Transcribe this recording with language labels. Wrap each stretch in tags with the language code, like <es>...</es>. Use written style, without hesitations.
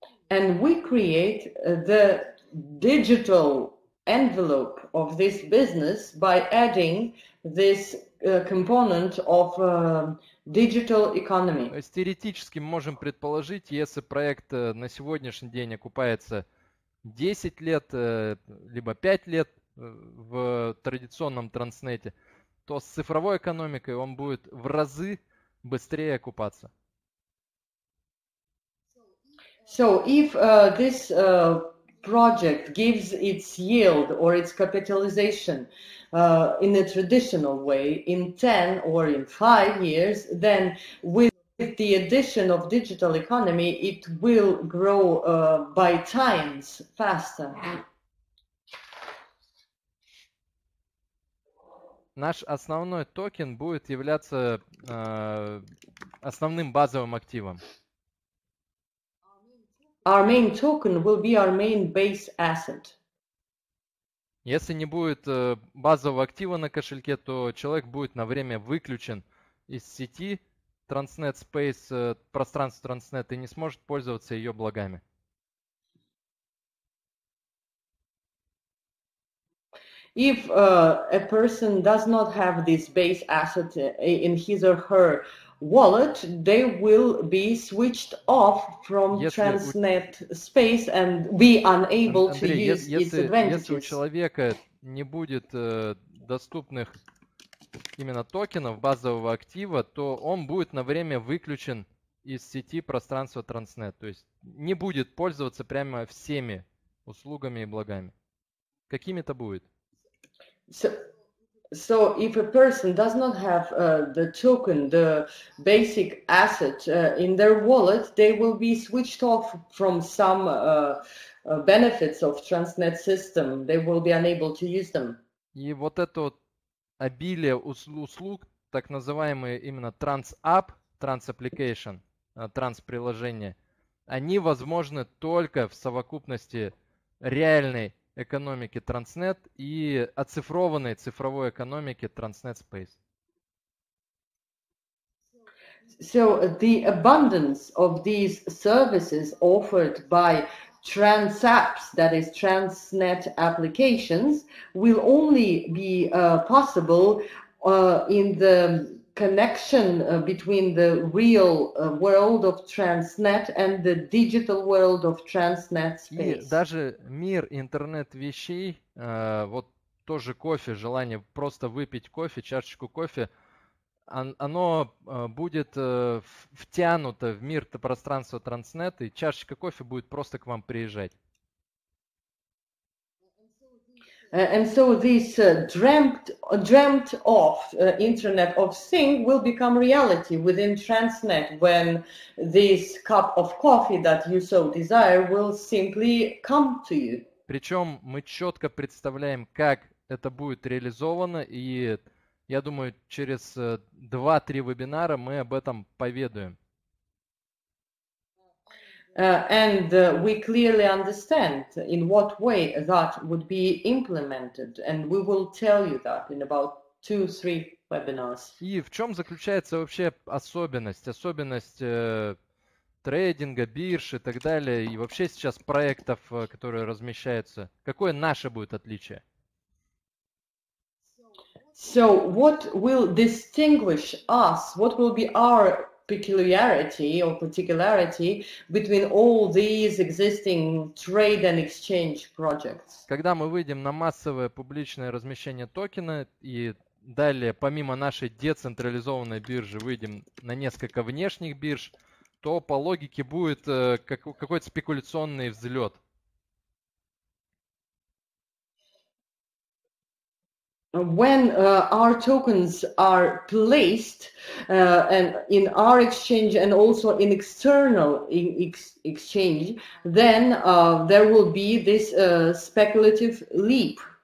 <en>And we create the digital envelope of this business by adding this component of digital economy.</en> <ru>То есть теоретически можем предположить, если проект на сегодняшний день окупается 10 лет, либо 5 лет в традиционном транснете, то с цифровой экономикой он будет в разы быстрее окупаться.</ru> <en>So if this project gives its yield or its capitalization in a traditional way in 10 or in 5 years, then with the addition of digital economy, it will grow by times faster.</en> <ru>Наш основной токен будет являться основным базовым активом.</ru> <en>Our main token will be our main base asset.</en> <ru>Если не будет базового актива на кошельке, то человек будет на время выключен из сети Transnet Space, пространства Transnet, и не сможет пользоваться ее благами.</ru> <en>If a person does not have this base asset in his or her wallet, they will be switched off from Transnet space and be unable to use its advantages.</en> <ru>Если у человека не будет доступных именно токенов базового актива, то он будет на время выключен из сети пространства Transnet. То есть не будет пользоваться прямо всеми услугами и благами. Какими-то будет.</ru> <en>So if a person does not have the token, the basic asset in their wallet, they will be switched off from some benefits of Transnet system. They will be unable to use them.</en> <ru>И вот это вот обилие услуг, так называемые именно TransApp, Trans Application, Trans приложение, они возможны только в совокупности реальной экономики Transnet и оцифрованной цифровой экономики Transnet Space.</ru> <en>So the abundance of these services offered by Transapps, that is Transnet applications, will only be possible in the connection between the real world of Transnet and the digital world of Transnet space.</en> <ru>И даже мир интернет вещей, вот тоже кофе, желание просто выпить кофе, чашечку кофе, оно будет втянуто в мир пространства Transnet, и чашечка кофе будет просто к вам приезжать.</ru> <en>And so this dreamt of Internet of Things will become reality within Transnet when this cup of coffee that you so desire will simply come to you.</en> <ru>Причем мы четко представляем, как это будет реализовано, и я думаю, через 2-3 вебинара мы об этом поведаем.</ru> <en>We clearly understand in what way that would be implemented, and we will tell you that in about 2-3 webinars.</en> <ru>И в чем заключается вообще особенность трейдинга, бирж и так далее, и вообще сейчас проектов, которые размещаются? Какое наше будет отличие?</ru> <en>So what will distinguish us, what will be our peculiarity or particularity between all these existing trade and exchange projects?</en> <ru>Когда мы выйдем на массовое публичное размещение токена и далее, помимо нашей децентрализованной биржи, выйдем на несколько внешних бирж, то по логике будет какой-то спекуляционный взлет.</ru> <en>When our tokens are placed and in our exchange and also in external exchange, then there will be this speculative leap.</en>